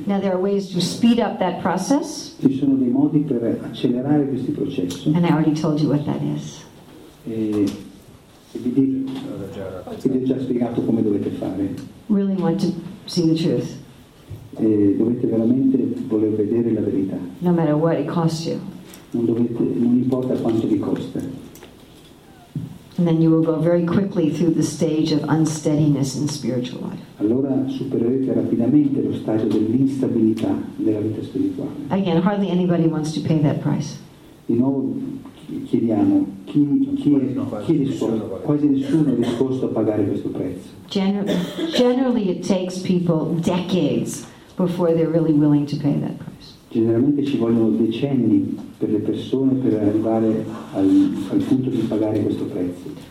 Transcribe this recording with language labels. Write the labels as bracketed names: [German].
[English] Now there are ways to speed up that process. [Italian] Ci sono dei modi per accelerare questi processi. [English] And I already told you what that is. [Italian] E vi ho già spiegato come dovete fare. [English] Really want to see the truth. [Italian] E dovete veramente voler vedere la verità. [English] No matter what it costs you. [Italian] Non importa quanto vi costa. [English] And then you will go very quickly through the stage of unsteadiness in spiritual life. [Italian] Allora supererete rapidamente lo stadio dell'instabilità nella vita spirituale. [English] Again, hardly anybody wants to pay that price. [Italian] Di nuovo chiediamo quasi nessuno è disposto a pagare questo prezzo. [English] Generally, it takes people decades before they're really willing to pay that price. [Italian] Generalmente ci vogliono decenni per le persone per arrivare al punto di pagare questo prezzo.